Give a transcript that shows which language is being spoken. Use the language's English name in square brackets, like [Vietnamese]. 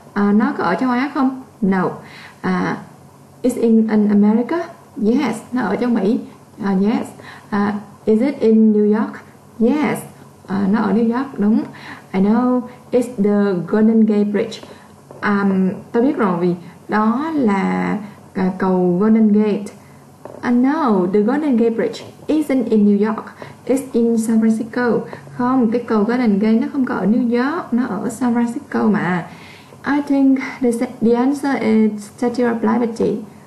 [Vietnamese] Nó có ở châu Á không? No. [English] Is it in America? [Vietnamese] Yes. Nó ở châu Mỹ? Yes. [English] Is it in New York? Yes. [Vietnamese] Nó ở New York, đúng. [English] I know. It's the Golden Gate Bridge. [Vietnamese] Tôi biết rồi, vì đó là cầu Golden Gate. [English] No, the Golden Gate Bridge isn't in New York. It's in San Francisco. [Vietnamese] Không, cái cầu Golden Gate nó không có ở New York, nó ở San Francisco mà. [English] I think the answer is Statue of Liberty.